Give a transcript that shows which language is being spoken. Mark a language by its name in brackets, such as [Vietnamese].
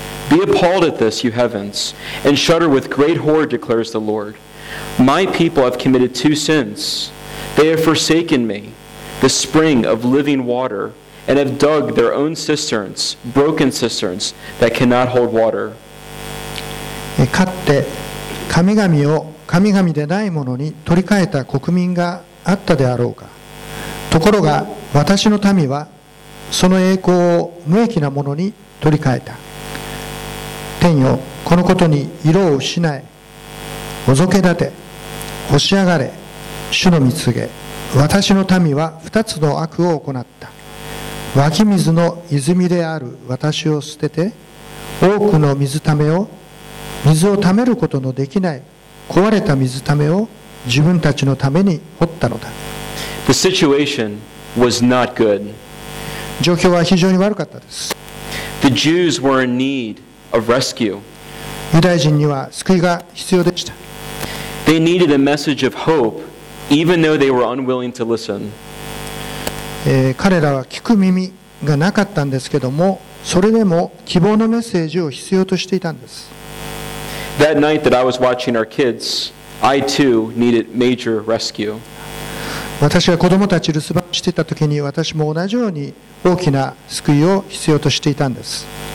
[English] Be appalled at this, you heavens, and shudder with great horror, declares the Lord. My people have committed two sins. They have forsaken me, the spring of living water, and have dug their own cisterns, broken cisterns that cannot hold water. [Japanese] かつて神々を神々でないものに取り替えた国民があったであろうか。ところが私の民はその栄光を無益なものに取り替えた。天よ、このことに色を失え。おぞけ立て、押し上がれ、主の御告げ、私の民は二つの悪を行った。湧き水の泉である私を捨てて、多くの水ためを、水をためることのできない壊れた水ためを自分たちのために掘ったのだ。 [English] The situation was not good. [Japanese] 状況は非常に悪かったです。 [English] The Jews were in need of rescue. [Japanese] ユダヤ人には救いが必要でした。 [English] They needed a message of hope, even though they were unwilling to listen. [Japanese] 彼らは聞く耳がなかったんですけども、それでも希望のメッセージを必要としていたんです。 [English] That night that I was watching our kids, I too needed major rescue. [Japanese] 私が子供たち留守番していた時に、私も同じように大きな救いを必要としていたんです。